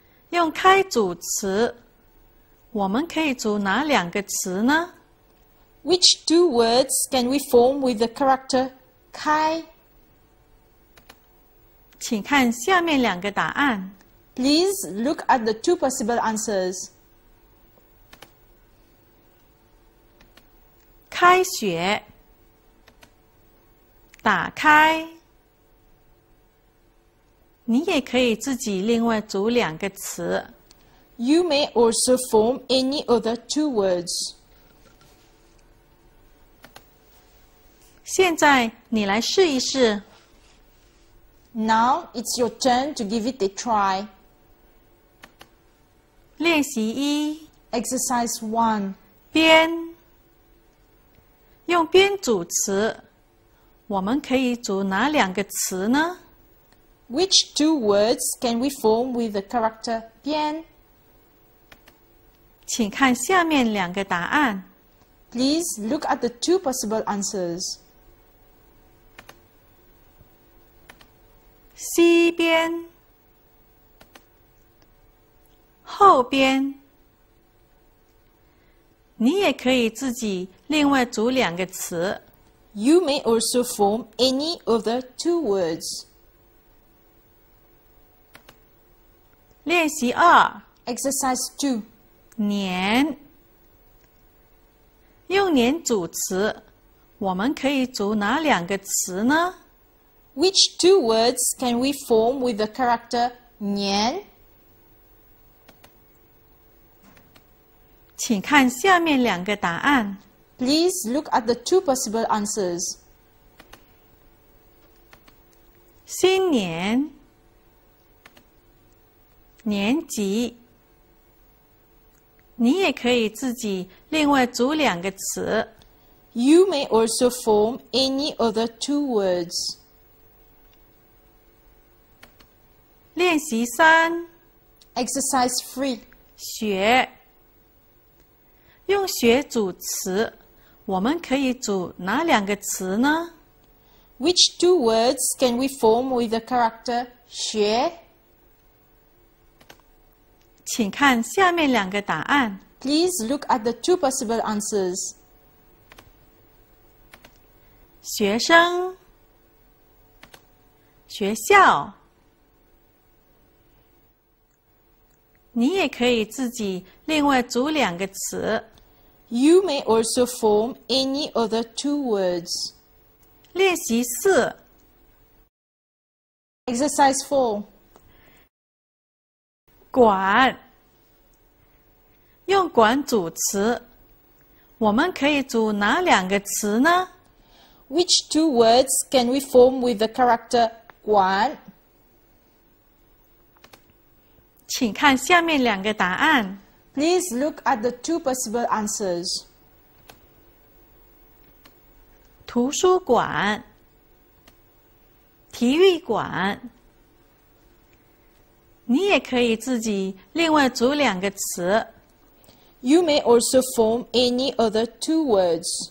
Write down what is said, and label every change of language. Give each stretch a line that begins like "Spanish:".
Chinese: 用开组词，我们可以组哪两个词呢？
English: Which two words can we form with the character "开"?
Chinese: 请看下面两个答案。
English: Please look at the two possible answers.
Chinese: 开学，打开。你也可以自己另外组两个词。
English: You may also form any other two words.
Chinese: 现在你来试一试。
English: Now it's your turn to give it a try.
Chinese: 练习一。
English: Exercise one.
Chinese: 边。用边组词，我们可以组哪两个词呢
English: ？Which two words can we form with the character 边？
Chinese: 请看下面两个答案。
English: Please look at the two possible answers.
Chinese: 西边、后边。你也可以自己另外组两个词。
English: You may also form any other two words.
Chinese: 练习二。
English: Exercise two.
Chinese: 粘。用粘组词，我们可以组哪两个词呢？
English: Which two words can we form with the character 粘？
Chinese: 请看下面两个答案。
English: Please look at the two possible answers.
Chinese: 新年、年级。你也可以自己另外组两个词。
English: You may also form any other two words.
Chinese: 练习三。
English: Exercise three.
Chinese: 学。用学组词，我们可以组哪两个词呢？
English: Which two words can we form with the character 学？
Chinese: 请看下面两个答案。
English: Please look at the two possible answers.
Chinese: 学生，学校。你也可以自己另外组两个词。
English: You may also form any other two words.
Chinese: 练习四。
English: Exercise four.
Chinese: 管。用管组词，我们可以组哪两个词呢？
English: Which two words can we form with the character 管？
Chinese: 请看下面两个答案。
English: Please look at the two possible answers.
Chinese: 图书馆、体育馆。你也可以自己另外组两个词。
English: You may also form any other two words.